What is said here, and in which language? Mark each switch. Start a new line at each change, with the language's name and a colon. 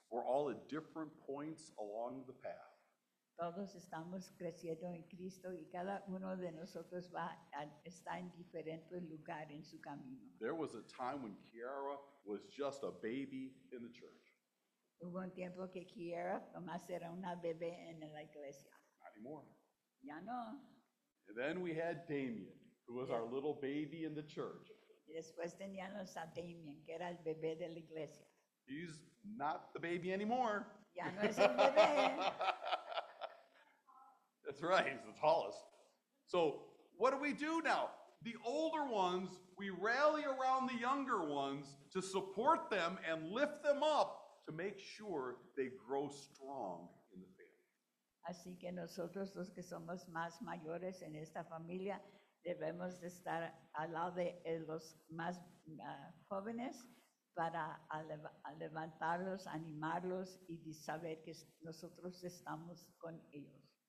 English: We're all at different points along the path.
Spanish: Todos estamos creciendo en Cristo y cada uno de nosotros está en diferente lugar en su camino.
English: There was a time when Kiara was just a baby in the church.
Spanish: Hubo un tiempo que Kiara nomás era una bebé en la iglesia.
English: Not anymore.
Spanish: Ya no.
English: And then we had Damien, who was our little baby in the church.
Spanish: Y después teníamos a Damien, que era el bebé de la iglesia.
English: He's not the baby anymore.
Spanish: Ya no es el bebé.
English: That's right, he's the tallest. So what do we do now? The older ones, we rally around the younger ones to support them and lift them up to make sure they grow strong in the family.
Spanish: Así que nosotros los que somos más mayores en esta familia debemos de estar al lado de los más jóvenes para levantarlos, animarlos y saber que nosotros estamos con ellos.